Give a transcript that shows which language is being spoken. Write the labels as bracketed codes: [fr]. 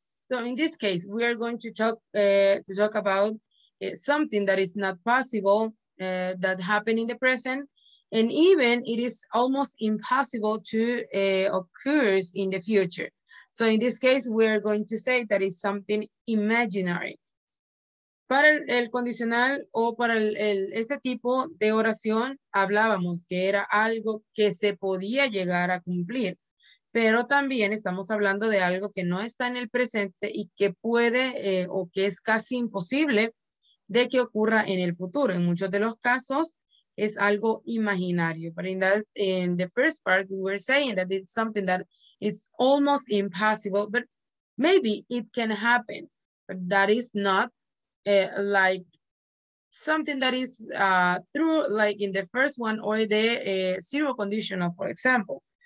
[en] So in this case, we are going to talk about something that is not possible that happened in the present, and even it is almost impossible to occurs in the future. So in this case, we are going to say that is something imaginary. [es] Para el condicional o para este tipo de oración, hablábamos que era algo que se podía llegar a cumplir. Pero también estamos hablando de algo que no está en el presente y que puede o que es casi imposible de que ocurra en el futuro. En muchos de los casos es algo imaginario. [en] But in that, in the first part, we were saying that it's something that is almost impossible, but maybe it can happen. But that is not like something that is true, like in the first one or the zero conditional, for example.